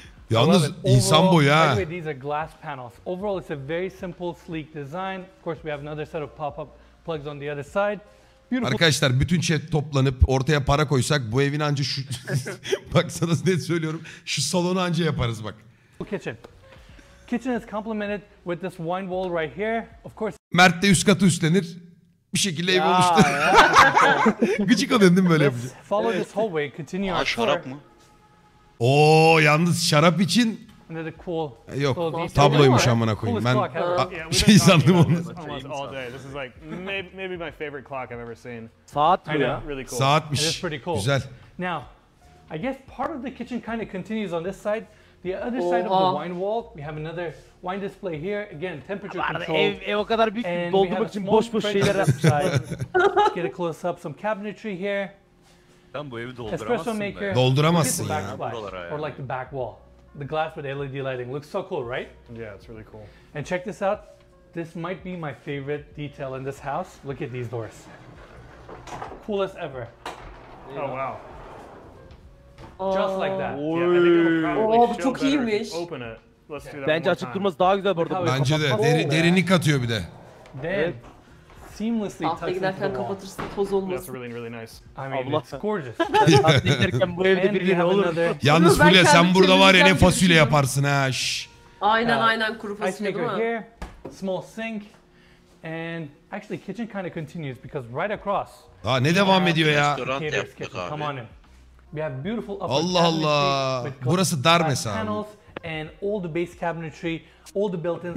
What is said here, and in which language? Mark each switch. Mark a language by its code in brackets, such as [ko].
[tr] Yalnız insan boyu ha. [en] Anyway, these are glass panels. Overall, it's a very simple, sleek design. Of course, we have another set of pop-up plugs on the other side. Beautiful. [tr] Arkadaşlar bütün chat toplanıp ortaya para koysak bu evin anca şu baksanız ne söylüyorum şu salonu anca yaparız bak. [en] Kitchen is complemented with this wine wall right here. Of course. [tr] Mert de üst katı üstlenir. Bir şekilde ya, ev oluştu. Gıcık oluyorsun değil mi böyle yapınca? [en] Follow this hallway, continue our tour. [tr] Şarap mı? Oo yalnız şarap için. [en] Another cool. [tr] Yok, tabloymuş amına koyayım. Ben şey sandım onu. [en] This is like maybe my favorite clock I've ever seen. [tr] Saat mı? [en] Really cool. [tr] Saatmiş. [en] It's pretty cool. [tr] Güzel. [en] Now, I guess part of the kitchen kind of continues on this side. The other side of the wine wall, we have another wine display here. Again, temperature control. [tr] Ev o kadar büyük ki doldurmak için boş boş şeyler yapmışlar. [en] Get a close up some cabinetry here. [tr] Ben bu evi dolduramazsın. [en] Espresso maker. [tr] Dolduramazsın ya. [en] Or like the back wall. The glass with LED lighting looks so cool, right? Yeah, it's really cool. And check this out. This might be my favorite detail in this house. Look at these doors. Coolest ever. Yeah. Oh wow. Just like that. Yeah, I think it'll probably show better if you open it. Let's do that. [tr] Bence açık durması daha güzel burada. Bence de. Derinlik katıyor bir de. [en] Then seamlessly tucks into the wall. [tr] Kapatırsın toz olmasın. [en] That's really really nice. I mean, it's gorgeous. [tr] Bu evde bir yer olur. Yalnız Fulya sen burada var ya ne fasulye yaparsın ha şş. Aynen aynen kuru fasulye değil mi? [en] Ice maker here, small sink. And actually kitchen kind of continues because right across. [tr] Aa ne devam ediyor ya? Restoran yaptık abi. [en] We have beautiful upper [tr] Allah Allah. Burası dar mesela. [en] And all the base cabinetry, all the built-ins.